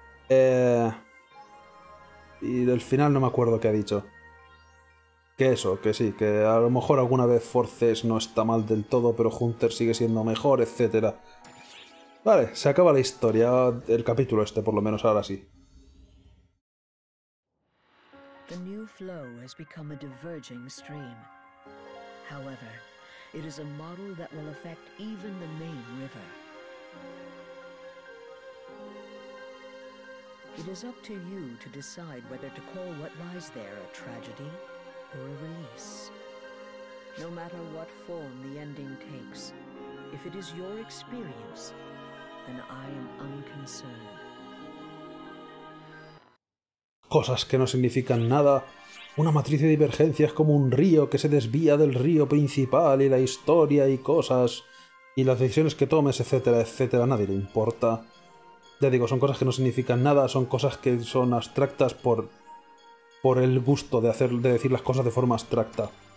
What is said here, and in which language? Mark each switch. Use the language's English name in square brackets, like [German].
[Spanish] Y del final no me acuerdo qué ha dicho. Que eso, que sí, que a lo mejor alguna vez Forces no está mal del todo, pero Hunter sigue siendo mejor, etc. Vale, se acaba la historia, el capítulo este, por lo menos ahora sí. [English] The new flow has become a diverging stream. However, it is a model that will affect even the main river. It is up to you to decide whether to call what lies there a tragedy or a release. No matter what form the ending takes, if it is your experience, then I am unconcerned. [Spanish] Cosas que no significan nada. Una matriz de divergencia es como un río que se desvía del río principal y la historia y cosas. Y las decisiones que tomes, etcétera, etcétera, a nadie le importa. Ya digo, son cosas que no significan nada, son cosas que son abstractas por el gusto de decir las cosas de forma abstracta.